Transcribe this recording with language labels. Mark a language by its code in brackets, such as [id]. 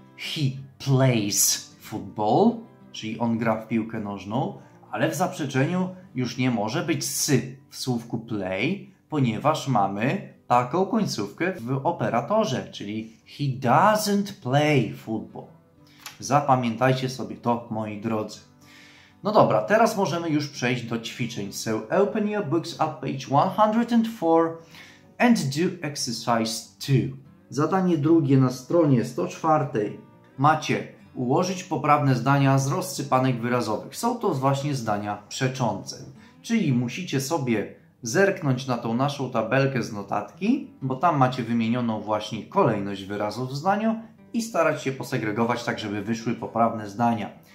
[en] He plays football, [pl] czyli on gra w piłkę nożną, ale w zaprzeczeniu już nie może być s w słówku play, ponieważ mamy taką końcówkę w operatorze, czyli [en] he doesn't play football. [pl] Zapamiętajcie sobie to, moi drodzy. No dobra, teraz możemy już przejść do ćwiczeń. [en] So open your books at page 104 and do exercise 2. [pl] Zadanie drugie na stronie 104. Macie ułożyć poprawne zdania z rozsypanek wyrazowych. Są to właśnie zdania przeczące. Czyli musicie sobie zerknąć na tą naszą tabelkę z notatki, bo tam macie wymienioną właśnie kolejność wyrazów w zdaniu i starać się posegregować tak, żeby wyszły poprawne zdania.